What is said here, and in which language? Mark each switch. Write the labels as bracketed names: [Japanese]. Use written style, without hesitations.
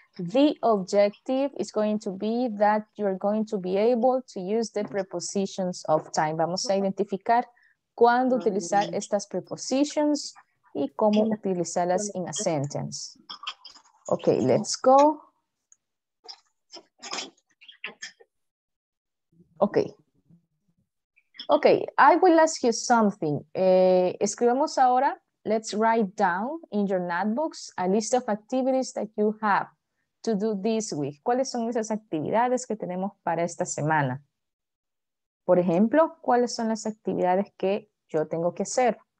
[English] The objective is going to be that you're going to be able to use the prepositions of time. [Spanish] Vamos a identificar cuándo utilizar estas prepositions y cómo utilizarlas [English] in a sentence. Okay, let's go. Okay. Okay, I will ask you something. [Spanish] Escribamos ahora. [English] Let's write down in your notebooks a list of activities that you have to do this week. [Spanish] ¿Cuáles son esas actividades que tenemos para esta semana? Por ejemplo, ¿cuáles son las actividades que yo tengo que hacer?